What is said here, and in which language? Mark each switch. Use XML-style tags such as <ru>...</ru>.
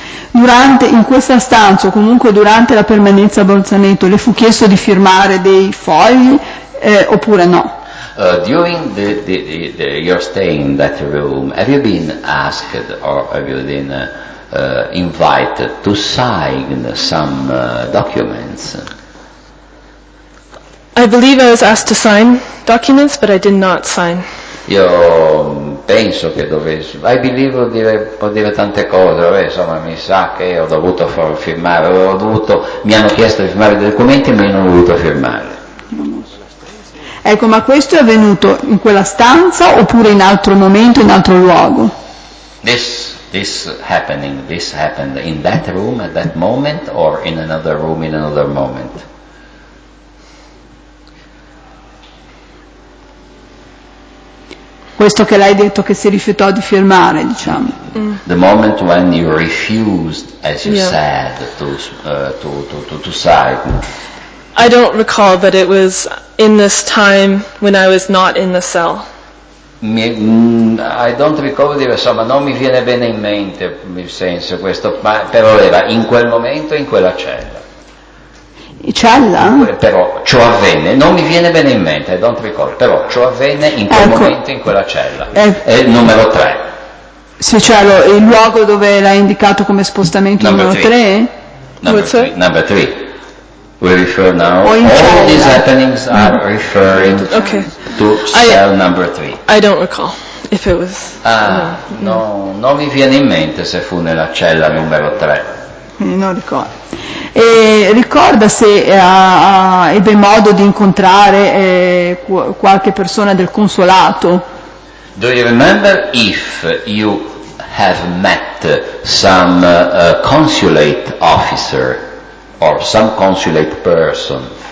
<it>Durante, in questa stanza, o comunque durante la permanenza a Bolzaneto, le fu chiesto di firmare dei fogli, oppure no?</it> <en>During the your stay in that room, have you been asked or have you been invited to sign some documents? I believe I was asked to sign documents, but I did not sign.</en> <it>Io penso che dovessi,</it> <en>I believe</en> <it>può dire tante cose, vabbè, insomma mi sa che ho dovuto far firmare, ho dovuto, mi hanno chiesto di firmare dei documenti ma io non ho voluto firmare. Ecco, ma questo è avvenuto in quella stanza oppure in altro momento, in altro luogo?</it> <en>This happened in that room at that moment or in another room in another moment?</en> <it>Questo che lei ha detto che si rifiutò di firmare, diciamo.</it> <en>The moment when you refused, as you said, to sign. I don't recall that it was in this time when I was not in the cell. I don't recall,</en> <it>insomma, non mi viene bene in mente, nel senso questo, ma però era in quel momento in quella cella. Cella? Però ciò avvenne, non mi viene bene in mente,</it> <en>I don't recall,</en> <it>però ciò avvenne in quel momento in quella cella. È il numero 3. Sì, cielo, il luogo dove l'ha indicato come spostamento numero 3?</it> <en>Number 3. We refer now, all these happenings are referring to cell number 3. I don't recall if it was...</en> <it>Non mi viene in mente se fu nella cella numero 3. Non ricordo. E ricorda se ebbe modo di incontrare qualche persona del consolato?</it> <en>Do you remember if you have met some consulate officer or some consulate person?</en>